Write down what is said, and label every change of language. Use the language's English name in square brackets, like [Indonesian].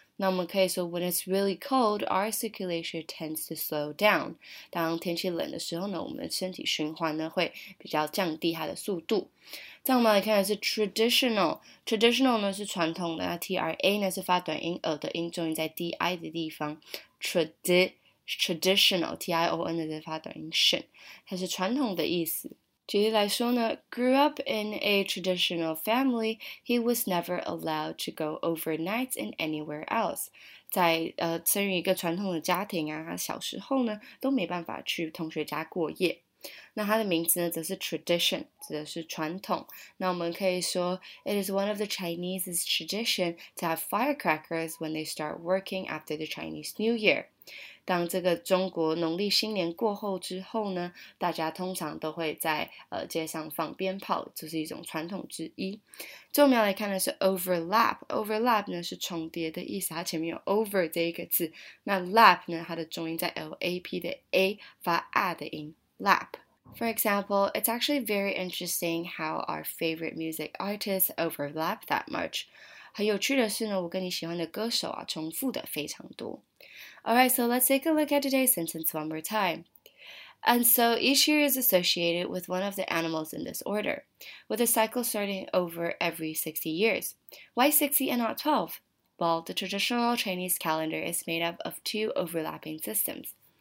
[Chinese] 那我们可以说 [English] ，When it's really cold, our circulation tends to slow down. [Chinese] 当天气冷的时候呢，我们的身体循环呢会比较降低它的速度。再我们来看的是 traditional， traditional 呢是传统的 ，T R A 呢是发短音 ，a 的音重音在 D I 的地方 ，traditional T I O N 的发短音 tion， 它是传统的意思。举例来说呢 [English] ，grew up in a traditional family, he was never allowed to go overnight in anywhere else. [Chinese] 在生于一个传统的家庭啊，他小时候呢都没办法去同学家过夜。那他的名字呢，则是 tradition， 指的是传统。那我们可以说 [English] ，it is one of the Chinese's tradition to have firecrackers when they start working after the Chinese New Year。 [Chinese] 当这个中国农历新年过后之后呢，大家通常都会在街上放鞭炮，这是一种传统之一。最后我们要来看的是 overlap 呢是重叠的意思，它前面有 over 这一个字，那 lap 呢它的重音在 lap 的 a 发 a 的音 lap。 [English] For example, it's actually very interesting how our favorite music artists overlap that much. [Chinese] 很有趣的是呢，我跟你喜欢的歌手啊重复的非常多。 [English] Alright, so let's take a look at today's sentence one more time. And so each year is associated with one of the animals in this order, with a cycle starting over every 60 years. Why 60 and not 12? Well, the traditional Chinese calendar is made up of two overlapping systems.